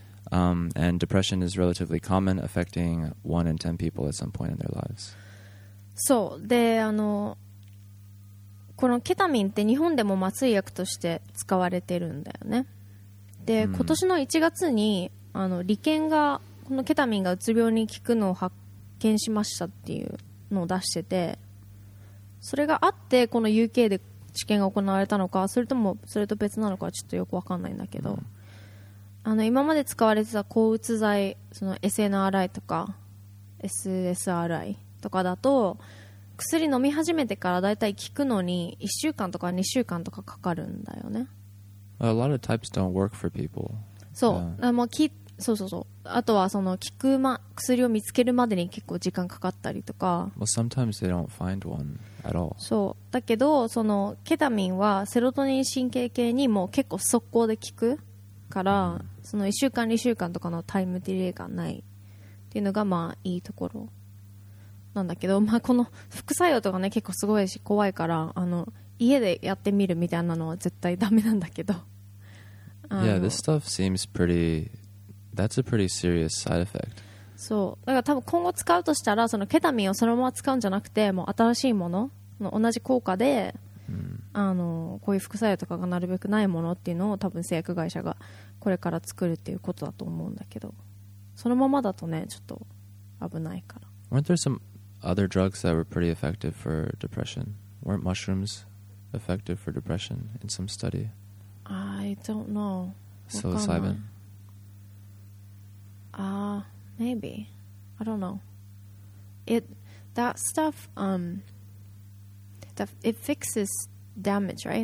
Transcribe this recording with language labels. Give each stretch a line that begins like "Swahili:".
English: And depression is relatively common, affecting 1 in 10 people at some point in their lives.
Japanese: そう、で、あの、このケタミンって日本でも麻酔薬として使われてるんだよね。で、今年の1月にあの理研がこのケタミンがうつ病に効くのを発見しましたっていうのを出してて、それがあってこの UK で治験が行われたのか、それともそれと別なのかちょっとよくわかんないんだけど、あの今まで使われてた抗うつ剤、その SNRI とか SSRI とかだと薬飲み始めてからだいたい効くのに1週間とか2週間とかかかるんだよね。
English: A lot of types don't work for people.
Japanese: そう、そう、あとはその効く、ま、薬を見つけるまでに結構時間かかったりとか。
English: Well, sometimes they don't find one at all.
Japanese: そうだけど、そのケタミンはセロトニン神経系にも結構速攻で効くから、その1週間2週間とかのタイムディレイがないっていうのがまあいいところなんだけど、まあ、この副作用とかね結構すごいし怖いから、あの家でやってみるみたいなのは絶対ダメなんだけど。
English: Yeah, this stuff seems pretty. That's a pretty serious side effect.
Japanese: そう、だから多分今後使うとしたら、そのケタミンをそのまま使うんじゃなくて、もう新しいもの、の同じ効果で、あのこういう副作用とかがなるべくないものっていうのを多分製薬会社がこれから作るっていうことだと思うんだけど、そのままだとねちょっと危ないから。
English: Weren't there some other drugs that were pretty effective for depression? Weren't mushrooms effective for depression in some study? I don't know. Psilocybin? Maybe. I don't know. It, that stuff, that, it fixes damage, right?